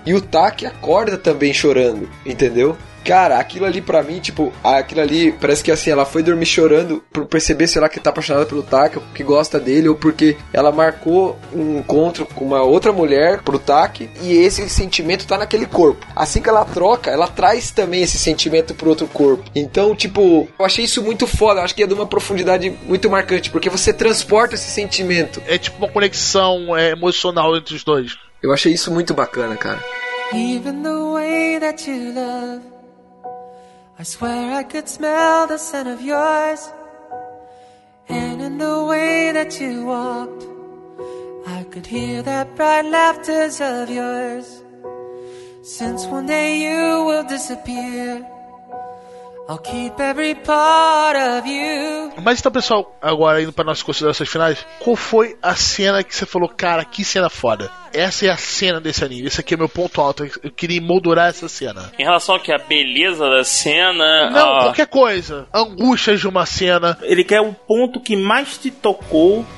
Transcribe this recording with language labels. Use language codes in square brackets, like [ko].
[pt] E o Taki acorda também chorando, entendeu? Cara, aquilo ali pra mim, tipo, aquilo ali parece que assim, ela foi dormir chorando por perceber, sei lá, que tá apaixonada pelo Taki, que gosta dele, ou porque ela marcou um encontro com uma outra mulher pro Taki, e esse sentimento tá naquele corpo. Assim que ela troca, ela traz também esse sentimento pro outro corpo. Então, tipo, eu achei isso muito foda, acho que é de uma profundidade muito marcante, porque você transporta esse sentimento. É tipo uma conexão emocional entre os dois. Eu achei isso muito bacana, cara. [en] Even the way that you love, I swear I could smell the scent of yours. And in the way that you walked, I could hear that bright laughter of yours. Since one day you will disappear, I'll keep every part of you. [pt] Mas então, pessoal, agora indo para nossas considerações finais, qual foi a cena que você falou, cara, que cena foda? Essa é a cena desse anime. Esse aqui é meu ponto alto. Eu queria emoldurar essa cena. Em relação ao que? A beleza da cena? Não, qualquer coisa. Angústias de uma cena. Ele quer o ponto que mais te tocou.